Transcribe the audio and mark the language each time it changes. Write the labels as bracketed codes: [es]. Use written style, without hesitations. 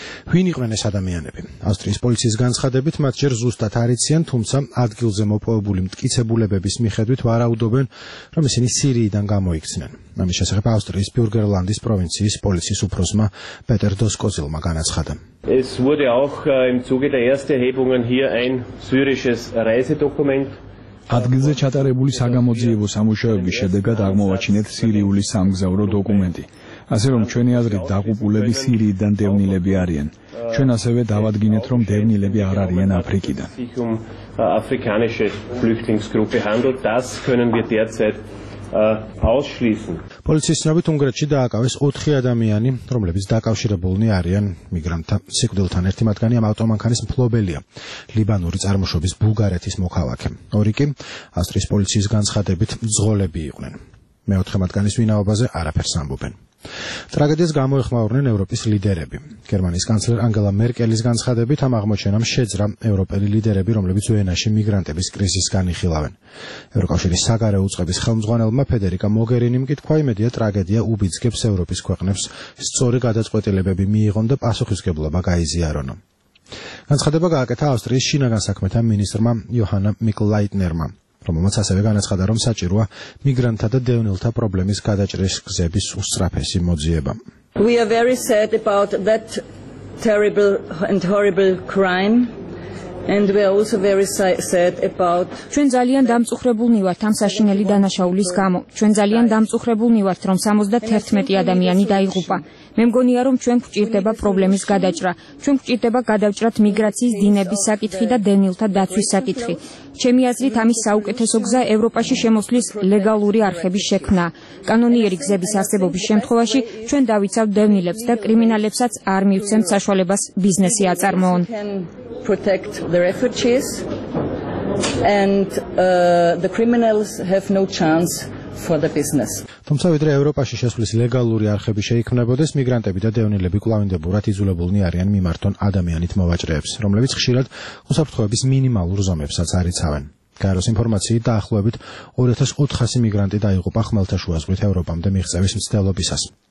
[ka] ვინ იყვნენ ეს ადამიანები? ავსტრიის პოლიციის განცხადებით მათ ჯერ ზუსტად არ იციან, თუმცა ადგილზე მოპოვებული მტკიცებულებების მიხედვით ვარაუდობენ, რომ ისინი სირიიდან გამოიქცნენ. ამის შესახებ ავსტრიის ბიურგერლანდის პროვინციის პოლიციის უფროსმა პეტერ დოსკოზილმა განაცხადა. [de] Es wurde auch im Zuge der ersten Erhebungen hier ein syrisches Reisedokument. [ka] ადგილზე ჩატარებული საგამოძიებო სამუშაოების შედეგად აღმოაჩინეთ სირიული სამგზავრო დოკუმენტი. ასე რომ ჩვენი აზრით დაღუპულები სირიიდან დევნილები არიან. ჩვენ ასევე დავადგინეთ რომ დევნილები არ არიან აფრიკიდან. [de] Afrikanische Flüchtlingsgruppe handelt, das können wir derzeit ausschließen. [ka] პოლიციის ცნობით უნგრეთში დააკავეს 4 ადამიანი, რომლებიც დაკავშირებულნი არიან მიგრანტთა სიკვდილთან. ერთი მათგანი ამ ავტომანქანის მფლობელია, ლიბანური წარმოშობის ბულგარეთის მოქალაქე. ორი კი ავსტრიის პოლიციის განცხადებით მძღოლები იყვნენ. მეოთხე მათგანის ვინაობაზე არაფერს ამბობენ. ტრაგედიას გამოეხმაურნენ ევროპის ლიდერები. გერმანიის კანცლერ ანგელა მერკელის განცხადებით ამ აღმოჩენამ შეძრა ევროპელი ლიდერები, რომლებიც ვენაში მიგრანტების კრიზისს განიხილავენ. ევროკავშირის საგარეო უწყების ხელმძღვანელმა ფედერიკა მოგერინიმ კი თქვა, იმედია ტრაგედია უბიძგებს ევროპის ქვეყნებს სწორი გადაწყვეტილებები მიიღონ და პასუხისგებლობა გაიზიარონ. განცხადება გააკეთა ავსტრიის შინაგან საქმეთა მინისტრმა იოჰანა მიკლაიტნერმა. რომელმაც ასევე განაცხადა, რომ საჭიროა მიგრანტთა და დევნილთა პრობლემის გადაჭრის გზების უსწრაფესი მოძიება. [en] We are very sad about that terrible and horrible crime. And we are also very sad about [ka] ჩვენ ძალიან დამწუხრებულნი ვართ ამ საშინელი დანაშაულის გამო. ჩვენ ძალიან დამწუხრებულნი ვართ, რომ 71 ადამიანი დაიღუპა. მე მგონია, რომ ჩვენ გვჭირდება პრობლემის გადაჭრა. ჩვენ გვჭირდება გადავჭრათ მიგრაციის დინების საკითხი და დევნილთა დაცვის საკითხი. ჩემი აზრით, ამის საუკეთესო გზა ევროპაში შემოსვლის ლეგალური არხების შექმნა. კანონიერი გზების არსებობის შემთხვევაში ჩვენ დავიცავთ დევნილებს და კრიმინალებსაც არ მივცემთ საშუალებას ბიზნესი აწარმოონ. [en] Protect the refugees and the criminals have no chance for the business. [ka] თუმცა ვიდრე ევროპაში შესვლის ლეგალური არხები შეიქმნებოდეს, მიგრანტები და დევნილები კლავინდებურად იზოლებულნი არიან მიმართონ ადამიანით მოვაჭრეებს, რომლებიც ხშირად უსაფრთხოების მინიმალურ ზომებსაც არიცავენ. გაეროს ინფორმაციით დაახლოებით 2400 მიგრანტი დაიღუპა ხმელთაშუა ზღვით ევროპამდე მიღწევის მცდელობისას.